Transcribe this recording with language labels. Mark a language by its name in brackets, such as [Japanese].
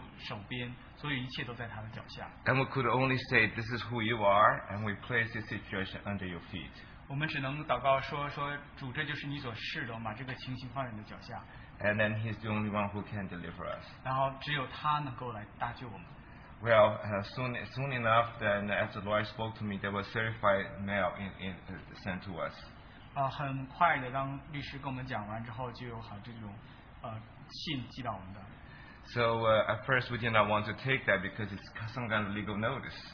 [English] And we could only say this is who you are and we place this situation under your feet. [Chinese] 我们只能祷告说主这就是你所示的，我们把这个情形放在你的脚下。 [English] And then he's the only one who can deliver us. [Chinese] 然后只有他能够来搭救我们。 [English] Well, soon enough, then as the Lord spoke to me, there was certified mail sent to us. [Chinese] 很快的，当律师跟我们讲完之后，就有好这种信寄到我们的。 [English] So at first we did not want to take that because it's some kind of legal notice.